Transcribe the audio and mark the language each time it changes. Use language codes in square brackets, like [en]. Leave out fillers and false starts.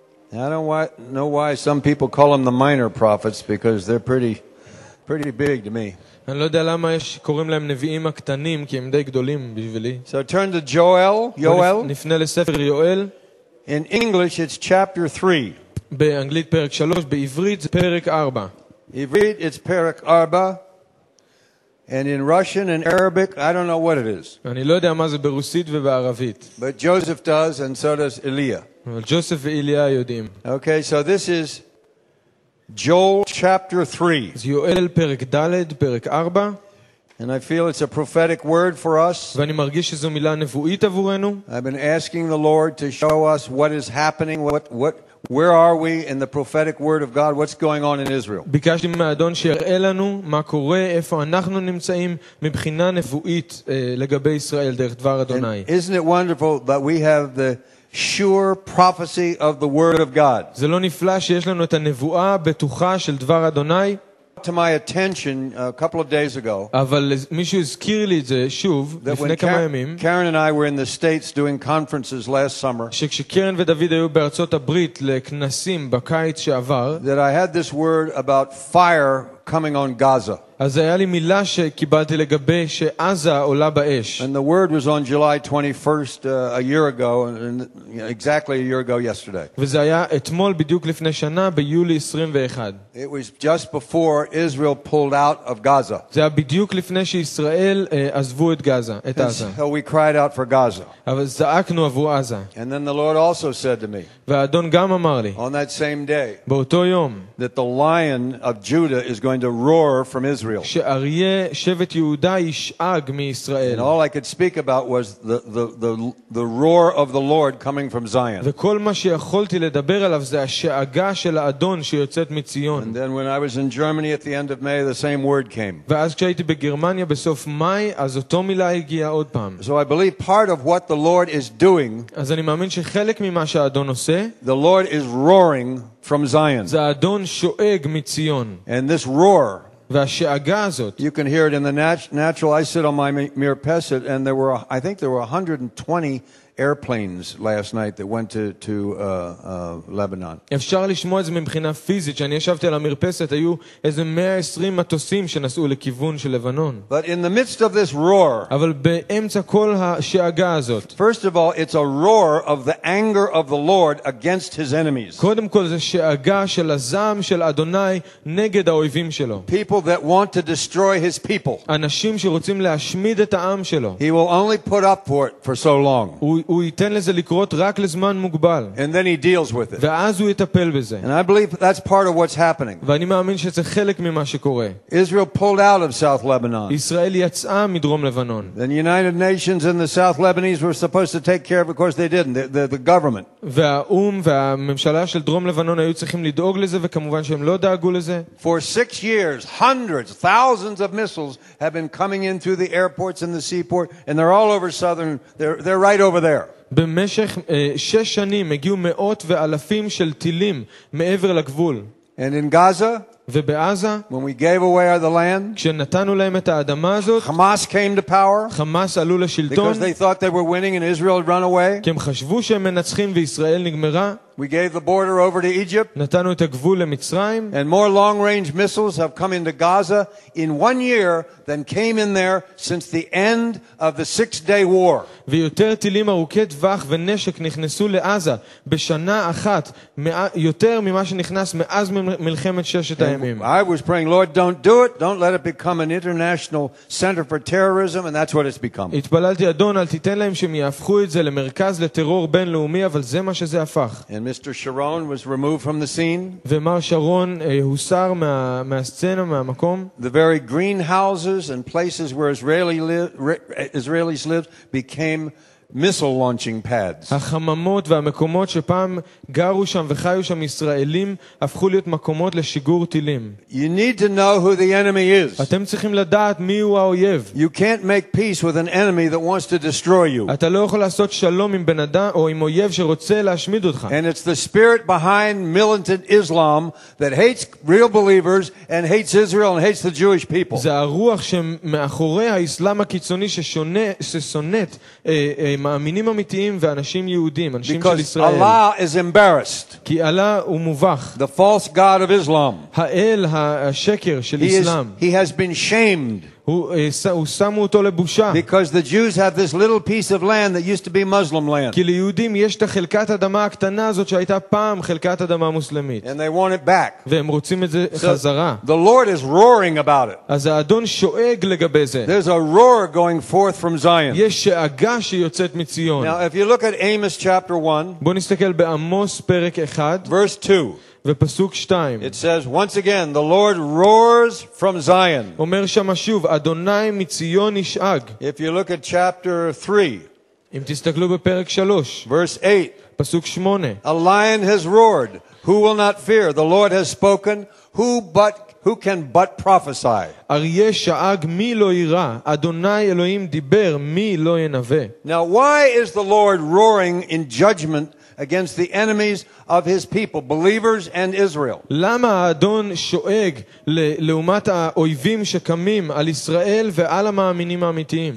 [en] I don't know why some people call them the minor prophets because they're pretty big to me. [he] אני לא יודע למה יש קוראים להם נביאים הקטנים כי הם די גדולים בשבילי. [en] So turn to Joel. [he] נפנה לספר יואל. [en] In English, it's chapter 3. [he] באנגלית פרק 3, בעברית זה פרק 4. עברית, [en] it's [he] פרק 4. [en] And in Russian and Arabic, I don't know what it is. [he] אני לא יודע מה זה ברוסית ובערבית. [en] But Joseph does, and so does Eliah. [he] אבל ג'וסף ואליה יודעים. [en] Okay, so this is Joel chapter 3. [he] זה יואל פרק ד', פרק 4. [en] And I feel it's a prophetic word for us. [he] ואני מרגיש שזו מילה נבואית עבורנו. [en] I've been asking the Lord to show us what is happening, where are we in the prophetic word of God, what's going on in Israel. [he] ביקשתי מהאדון שיראה לנו מה קורה, איפה אנחנו נמצאים מבחינה נבואית לגבי ישראל דרך דבר אדוני. [en] Isn't it wonderful that we have the sure prophecy of the word of God? [he] זה לא נפלא שיש לנו את הנבואה בטוחה של דבר אדוני? [en] To my attention a couple of days ago. [he] אבל מישהו הזכיר לי את זה שוב לפני כמה ימים. [en] Karen and I were in the States doing conferences last summer. [he] שקרן ודוד היו בארצות הברית לכנסים בקיץ שעבר. [en] That I had this word about fire coming on Gaza. [he] אז היה לי מילה שקיבלתי לגבי שעזה עולה באש. [en] And the word was on July 21st a year ago and exactly a year ago yesterday. [he] וזה היה אתמול בדיוק לפני שנה ביולי 21. [en] It was just before Israel pulled out of Gaza. [he] זה היה בדיוק לפני שישראל עזבו את גזה, את עזה. [en] So we cried out for Gaza. [he] אבל זעקנו עבור עזה. [en] And then the Lord also said to me. [he] והאדון גם אמר לי. [en] On that same day. [he] באותו יום. [en] That the lion of Judah is going to roar from Israel. [he] שאריה שבט יהודה ישאג מישראל. [en] And all I could speak about was the roar of the Lord coming from Zion. [he] וכל מה שיכולתי לדבר עליו זה השאגה של האדון שיוצאת מציון. [en] And then when I was in Germany at the end of May, the same word came. [he] ואז כשהייתי בגרמניה בסוף מאי, אז אותו מילה הגיעה עוד פעם. [en] So I believe part of what the Lord is doing. [he] אז אני מאמין שחלק ממה שהאדון עושה. [en] The Lord is roaring from Zion. [he] זה האדון שואג מציון. [en] And this roar. [he] והשאגה הזאת. [en] You can hear it in the natural. I sit on my mirpeset and there were 120 airplanes last night that went to Lebanon. [he] אפשר לשמוע את זה מבחינה פיזית שאני ישבתי על המרפסת היו איזה 120 מטוסים שנסעו לכיוון של לבנון. [en] But in the midst of this roar. [he] אבל באמצע כל השאגה הזאת. [en] First of all, it's a roar of the anger of the Lord against his enemies. [he] קודם כל זה שאגה של הזעם של אדוני נגד האויבים שלו. [en] People that want to destroy his people. [he] אנשים שרוצים להשמיד את העם שלו. [en] He will only put up for it for so long. [he] הוא ייתן לזה לקרות רק לזמן מוגבל. [en] And then he deals with it. [he] ואז הוא יטפל בזה. [en] And I believe that's part of what's happening. [he] ואני מאמין שזה חלק ממה שקורה. [en] Israel pulled out of South Lebanon. [he] ישראל יצאה מדרום לבנון. [en] The United Nations and the South Lebanese were supposed to take care of course they didn't. The government. [he] והאום והממשלה של דרום לבנון היו צריכים לדאוג לזה וכמובן שהם לא דאגו לזה. [en] For 6 years, hundreds, thousands of missiles have been coming in through the airports and the seaport and they're all over southern they're right over there. [he] במשך 6 שנים הגיעו מאות ואלפים של טילים מעבר לגבול. [en] And in Gaza, [he] ובעזה, [en] when we gave away the land, [he] כשנתנו להם את האדמה הזאת, [en] Hamas came to power. [he] חמאס עלו לשלטון. [en] Because they thought they were winning and Israel had run away. [he] כי הם חשבו שהם מנצחים וישראל נגמרה. [en] We gave the border over to Egypt. [he] נתנו את הגבול למצרים. [en] And more long range missiles have come into Gaza in 1 year than came in there since the end of the 6-day war. [he] ויותר טילים ארוכי טווח ונשק נכנסו לעזה בשנה אחת יותר ממה שנכנס מאז מלחמת ששת הימים. [en] I was praying, Lord, don't do it. Don't let it become an international center for terrorism and that's what it's become. [he] התפללתי אדון אל תיתן להם שהם יהפכו את זה למרכז לטרור בינלאומי אבל זה מה שזה הפך. [en] And Mr. Sharon was removed from the scene. [he] ומר שרון הוסר מהסצנה, מהמקום. [en] The very greenhouses and places where Israelis lived became missile launching pads. [he] החממות והמקומות שפעם גרו שם וחיו שם ישראלים הפכו להיות מקומות לשיגור טילים. [en] You need to know who the enemy is. [he] אתם צריכים לדעת מי הוא האויב. [en] You can't make peace with an enemy that wants to destroy you. [he] אתה לא יכול לעשות שלום עם בן אדם או עם אויב שרוצה להשמיד אותך. [en] And it's the spirit behind militant Islam that hates real believers and hates Israel and hates the Jewish people. [he] זה הרוח שמאחורי האסלאם הקיצוני ששונאת מאמינים אמיתיים ואנשים יהודים, אנשים של ישראל. [en] Allah is embarrassed. [he] כי אללה הוא מובך. [en] The false god of Islam. [he] האל השקר של אסלאם. [en] He has been shamed. [he] הוא שמו אותו לבושה. [en] Because the Jews have this little piece of land that used to be Muslim land. [he] כי ליהודים יש את חלקת האדמה הקטנה הזאת שהייתה פעם חלקת אדמה מוסלמית. [en] And they want it back. [he] והם רוצים את זה חזרה. [en] The Lord is roaring about it. [he] אז האדון שואג לגבי זה. [en] There's a roar going forth from Zion. [he] יש שאגה שיוצאת מציון. [en] Now if you look at Amos chapter 1. [he] בוא נסתכל בעמוס פרק 1. [en] Verse 2. [he] ופסוק 2. [en] It says once again the Lord roars from Zion. [he] אומר שם שוב אדוני מציון ישאג. [en] If you look at chapter 3. [he] אם תסתכלו בפרק 3. [en] Verse 8. [he] פסוק 8. [en] A lion has roared, who will not fear? The Lord has spoken, who can but prophesy. [he] אריה שאג מי לא ירא? אדוני אלוהים דיבר מי לא ינבא? [en] Now why is the Lord roaring in judgment against the enemies of his people, believers and Israel? [he] למה האדון שואג לעומת האויבים שקמים על ישראל ועל המאמינים האמיתיים?